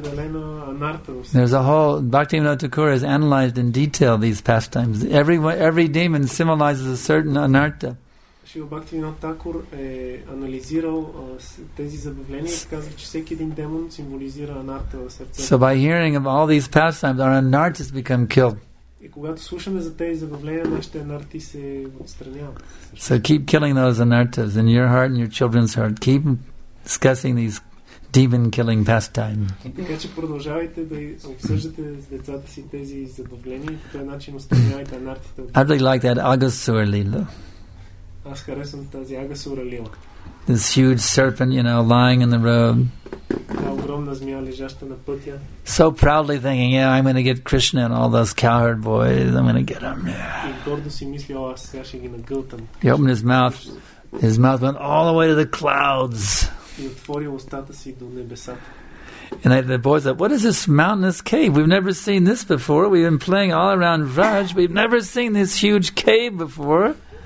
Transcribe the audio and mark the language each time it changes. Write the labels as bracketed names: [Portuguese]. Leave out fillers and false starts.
[English] There's a whole Bhaktivinoda Thakura has analyzed in detail these pastimes. Every demon symbolizes a certain anartha. [Bulgarian] Шрила Бхактивинода Такур е анализирал тези забавления и казва, че всеки един демон символизира анарта в сърцето. [English] So by hearing of all these pastimes, our anartas become killed. [Bulgarian] И когато слушаме за тези забавления, нашите анарти се отстраняват. [English] So keep killing those anartas in your heart and your children's heart. Keep discussing these demon killing pastime. [Bulgarian] Така че продължавайте да обсъждате с децата си тези забавления и по този начин отстранявайте анартите. [English] I really like that Agasura Lila. [Bulgarian] Аз харесвам тази Агасура Лила. [English] This huge serpent, you know, lying in the road. [Bulgarian] Та огромна змия, лежаща на пътя. [English] So proudly thinking, yeah, I'm going to get Krishna and all those cowherd boys. I'm going to get them. [Bulgarian] И гордо си мислил, аз сега ще ги нагълтам. [English] He opened his mouth went all the way to the clouds. [Bulgarian] И отвори устата си до небесата. [English] And the boy said, what is this mountainous cave? We've never seen this before. We've been playing all around Vraj. We've never seen this huge cave before.